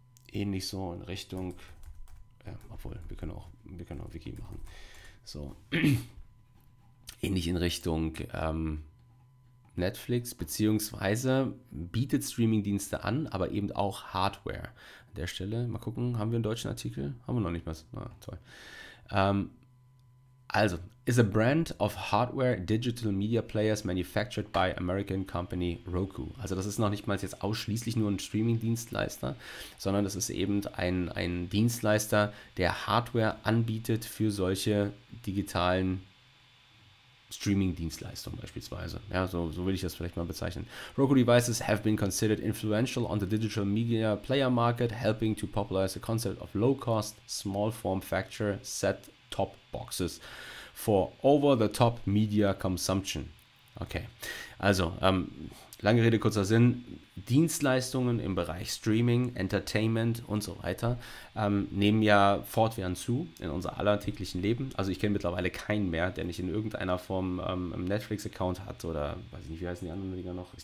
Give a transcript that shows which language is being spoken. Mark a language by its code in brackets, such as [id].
[de] Ähnlich so in Richtung, ja, obwohl, wir können auch Wiki machen. So, ähnlich in Richtung Netflix, beziehungsweise bietet Streamingdienste an, aber eben auch Hardware. An der Stelle, mal gucken, haben wir einen deutschen Artikel? Haben wir noch nicht mal. Na, toll. [en] Also, is a brand of hardware digital media players manufactured by American company Roku. [de] Also, das ist noch nicht mal jetzt ausschließlich nur ein Streaming-Dienstleister, sondern das ist eben ein Dienstleister, der Hardware anbietet für solche digitalen Streaming-Dienstleistungen beispielsweise. Ja, so will ich das vielleicht mal bezeichnen. [en] Roku Devices have been considered influential on the digital media player market, helping to popularize the concept of low-cost, small-form-factor set Top-Boxes for over-the-top-Media-Consumption. [de] Okay, also lange Rede, kurzer Sinn. Dienstleistungen im Bereich Streaming, Entertainment und so weiter nehmen ja fortwährend zu in unser alltäglichen Leben. Also ich kenne mittlerweile keinen mehr, der nicht in irgendeiner Form einen Netflix-Account hat oder weiß ich nicht, wie heißen die anderen Dinger noch?